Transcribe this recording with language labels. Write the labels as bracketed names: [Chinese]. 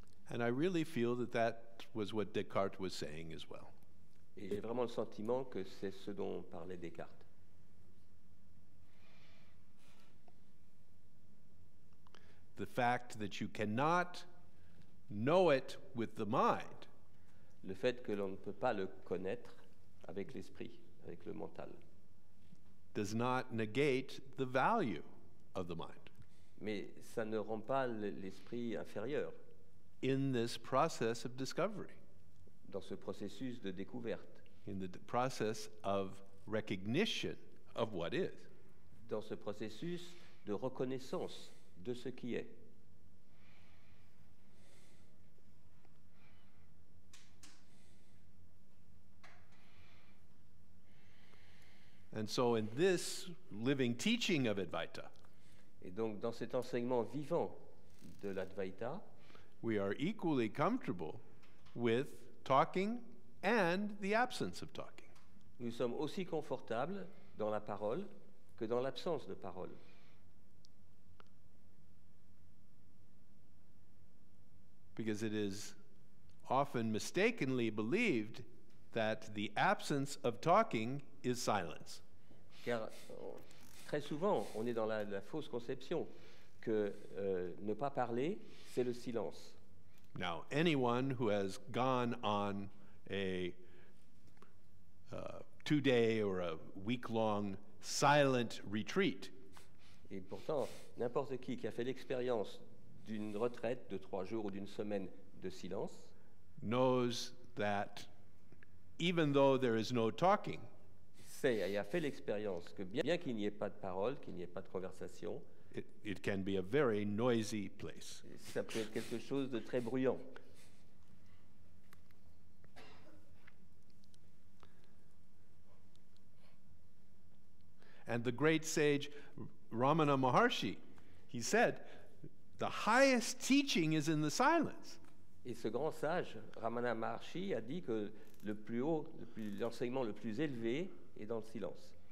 [English] And I really feel that that was what Descartes was saying as well. [French] Et j'ai vraiment le sentiment que c'est ce dont parlait Descartes. [English] The fact that you cannot know it with the mind. [French] Le fait que l'on ne peut pas le connaître avec l'esprit, avec le mental. [English] Does not negate the value of the mind. [French] Mais ça ne rend pas l'esprit inférieur. [English] In this process of discovery. [French] Dans ce processus de découverte. [English] In the process of recognition of what is. [French] Dans ce processus de reconnaissance de ce qui est. [English] And so in this living teaching of Advaita. [French] Et donc dans cet enseignement vivant de l'Advaita, [English] we are equally comfortable with talking and the absence of talking. [French] Nous sommes aussi confortables dans la parole que dans l'absence de parole. [English] Because it is often mistakenly believed that the absence of talking is silence. [French] Car très souvent, on est dans la fausse conception que ne pas parler, c'est le silence. [English] Now, anyone who has gone on a two-day or a week-long silent retreat. [French] Et pourtant, n'importe qui a fait l'expérience d'une retraite de trois jours ou d'une semaine de silence [English] knows that even though there is no talking, [French] sait et a fait l'expérience que bien qu'il n'y ait pas de parole, qu'il n'y ait pas de conversation, [English] it can be a very noisy place. [French] Ça peut être quelque chose de très bruyant. [English] And the great sage Ramana Maharshi, he said, the highest teaching is in the silence. [French] Et ce grand sage Ramana Maharshi a dit que le plus haut, l'enseignement le plus élevé est dans le silence.